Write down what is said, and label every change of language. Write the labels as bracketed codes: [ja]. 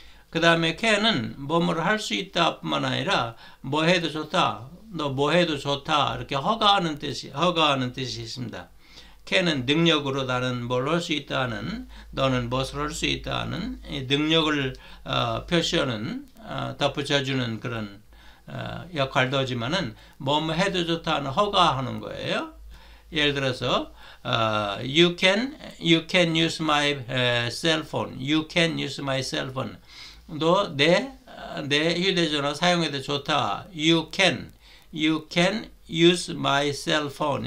[ko] 그 다음에 can은 뭐뭐를 할수 있다뿐만 아니라 뭐 해도 좋다, 너뭐 해도 좋다 이렇게 허가하는 뜻이 있습니다. can은 능력으로 나는 뭘할수 있다는, 너는 무엇을 할수 있다는 능력을 표시하는 덧붙여주는 그런 역할도 하지만은 뭐뭐 해도 좋다는 허가하는 거예요. 예를 들어서 [en] you can use my cell phone. You can use my cell phone. [ko] 너내 휴대전화 사용해도 좋다. [en] You can use my cell phone.